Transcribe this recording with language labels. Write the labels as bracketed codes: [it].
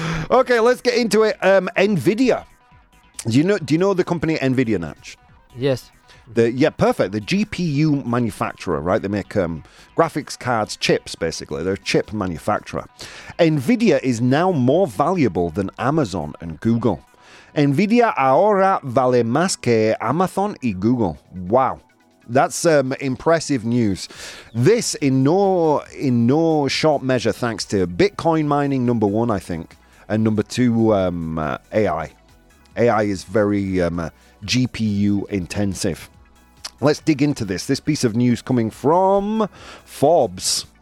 [en] Okay, let's get into it. Nvidia, do you know the company Nvidia, Natch? Yes. Perfect. The GPU manufacturer, right? They make graphics cards, chips, basically. They're a chip manufacturer. Nvidia is now more valuable than Amazon and Google. [es] Nvidia ahora vale más que Amazon y Google. [en] Wow. That's impressive news. This in no short measure thanks to Bitcoin mining, number one, I think, and number two, AI. AI is very GPU intensive. Let's dig into this. This piece of news coming from Forbes.